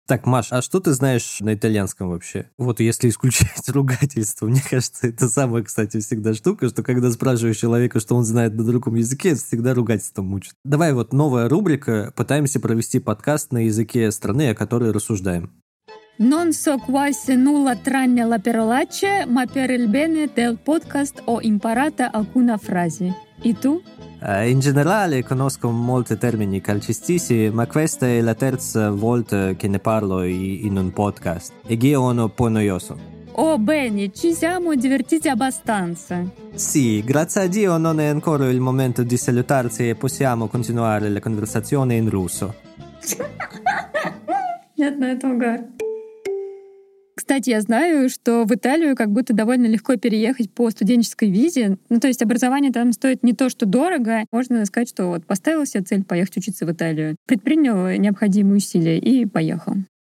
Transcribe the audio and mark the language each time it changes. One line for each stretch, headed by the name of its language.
Russian: Так, Маш, а что ты знаешь на итальянском вообще? Вот если исключать ругательство, мне кажется, это самая, кстати, всегда штука, что когда спрашиваешь человека, что он знает на другом языке, это всегда ругательство мучит. Давай вот новая рубрика. Пытаемся провести подкаст на языке страны, о которой рассуждаем.
Italian: Non so quasi nulla tranne la parolacce, ma per il bene del podcast ho imparato alcune frasi. E tu? In generale conosco molti termini calcistici, ma questa è la terza volta che ne parlo in un podcast. E che è uno po' noioso. Oh, bene, ci siamo divertiti abbastanza. Sì, grazie a Dio non è ancora il momento di salutarci e possiamo continuare la conversazione in russo.
Russian: Нет, на это угар. Кстати, я знаю, что в Италию как будто довольно легко переехать по студенческой визе. Ну, то есть образование там стоит не то, что дорого. Можно сказать, что вот поставил себе цель поехать учиться в Италию. Предпринял необходимые усилия и поехал.